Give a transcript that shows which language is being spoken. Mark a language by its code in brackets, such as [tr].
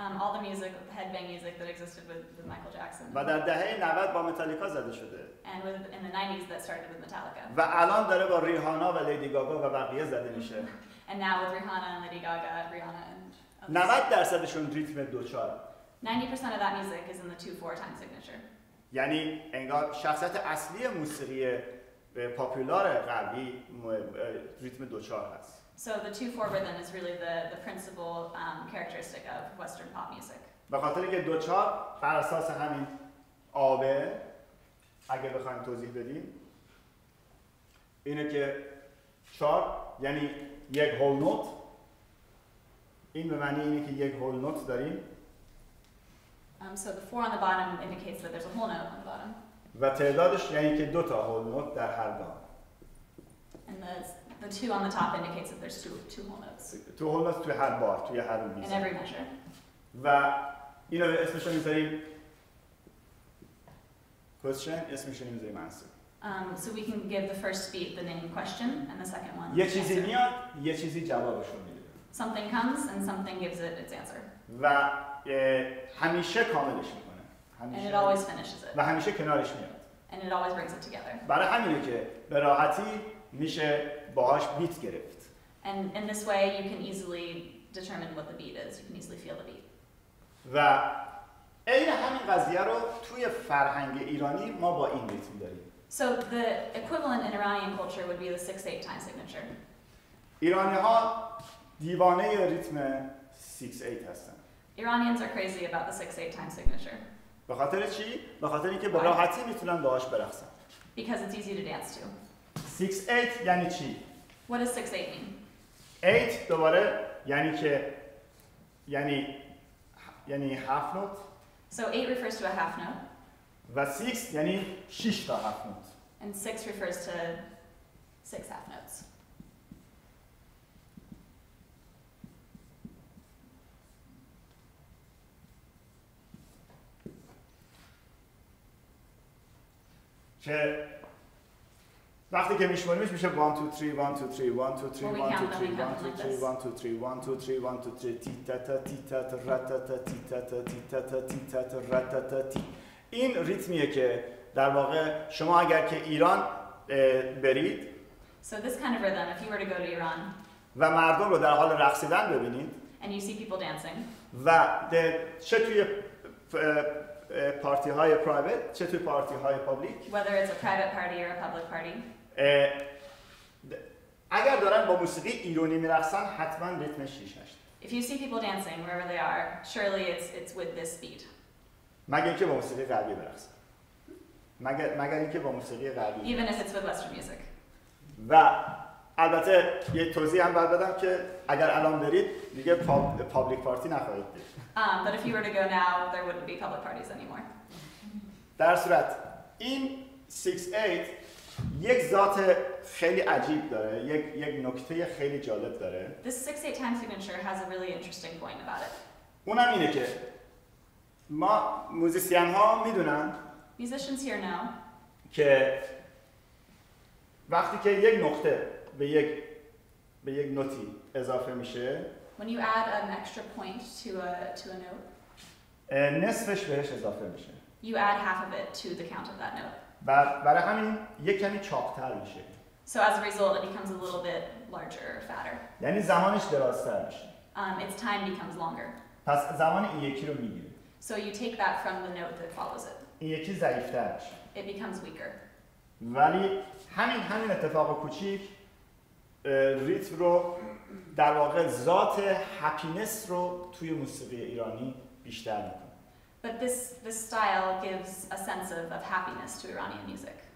[en] All the music, the headbang music that existed with Michael Jackson. [fa] و در دهه 90 با متالیکا زده شده. [en] And in the 90s that started with Metallica. [fa] و الان داره با ریهانا و لیدی گاگا و بقیه زده میشه. [en] And now with Rihanna and Lady Gaga, Rihanna and others. [fa] 90 درصدشون ریتم 2/4. [en] 90% of that music is in the 2/4 time signature. [fa] یعنی انگار شخصیت اصلی موسیقی پاپولار غربی ریتم 2/4 هست. [en] So the 2/4 rhythm is really the principal characteristic of Western pop music. [fa] به خاطر اینکه 2/4 بر اساس همین آبه اگه بخوایم توضیح بدیم اینه که 4 یعنی یک هول نوت این به معنی اینه که یک هول نوت داریم. [en] So the 4 on the bottom indicates that there's a whole note on the bottom. [fa] و تعدادش یعنی که دو تا whole note در هر گام. [en] And the 2 on the top indicates that there's two whole notes. [fa] Two whole notes توی هر بار، توی هر میزان. [en] In every measure. [fa] و اینا اسمش رو می‌ذاریم question، اسمش رو می‌ذاریم answer. [en] So we can give the first beat the name question and the second one. [fa] یه چیزی میاد، یه چیزی جوابش رو میده. [en] Something comes and something gives it its answer. [fa] و همیشه کاملش میکنه. همیشه. [en] And it always finishes it. [fa] و همیشه کنارش میاد. [en] And it always brings it together. [fa] برای همینه که به راحتی میشه باهاش بیت گرفت. [en] And in this way you can easily determine what the beat is. You can easily feel the beat. [fa] و این همین قضیه رو توی فرهنگ ایرانی ما با این ریتم داریم. [en] So the equivalent in Iranian culture would be the 6/8 time signature. [fa] ایرانی ها دیوانه ی ریتم 6/8 هستن. [en] Iranians are crazy about the 6/8 time signature. [fa] به خاطر چی؟ به خاطر اینکه به راحتی میتونن باهاش برقصن. [en] Because it's easy to dance to. [fa] 6/8 یعنی چی؟ [en] What does 6/8 mean? [fa] 8 دوباره یعنی که یعنی half note. [en] So 8 refers to a half note. [fa] و 6 یعنی 6 تا half note. [en] And 6 refers to 6 half notes. [fa] که وقتی که میشماریمش میشه 1 2 3 1 2 3 1 2 3 1 2 3 1 2 3 1 2 3 1 2 3 1 2 3 تی تا تا تی تا تا را تا تا تی تا تا تی تا تا تی تا تا را تا تا تی این ریتمیه که در واقع شما اگر که ایران برید [en] so this kind of rhythm if you were to go to Iran [fa] و مردم رو در حال رقصیدن ببینید [en] and you see people dancing [fa] و چه توی پارتی های پرایوت چه تو پارتی های پابلیک [en] whether it's a private party or a public party [fa] اگر دارن با موسیقی ایرانی میرقصن حتما ریتم 6 8 [en] if you see people dancing wherever they are surely it's with this beat [fa] مگر اینکه با موسیقی غربی برقصن مگر اینکه با موسیقی غربی [en] even if it's with western music [fa] و البته یه توضیح هم باید بدم که اگر الان برید دیگه پابلیک پارتی نخواهید دید. [en] But if you were to go now there wouldn't be public parties anymore. [fa] در صورت این 6/8 یک ذات خیلی عجیب داره. یک نکته خیلی جالب داره. [en] This 6-8 time signature has a really interesting point about it. [fa] اونم اینه که ما موزیسین ها میدونن [en] Musicians here know [fa] که وقتی که یک نقطه به یک نوتی اضافه میشه [en] When you add an extra point to a note [fa] نصفش بهش اضافه میشه [en] You add half of it to the count of that note [fa] برای همین یک کمی چاق‌تر میشه [en] So as a result it becomes a little bit larger or fatter [fa] یعنی زمانش درازتر میشه [en] Its time becomes longer [fa] پس زمان این یکی رو میگیره [en] So you take that from the note that follows it [fa] این یکی ضعیف‌تر میشه [en] It becomes weaker [fa] ولی همین اتفاق کوچیک ریتم رو در واقع ذات هپینس رو توی موسیقی ایرانی بیشتر میکنه [en] But this style gives a sense of happiness to Iranian music.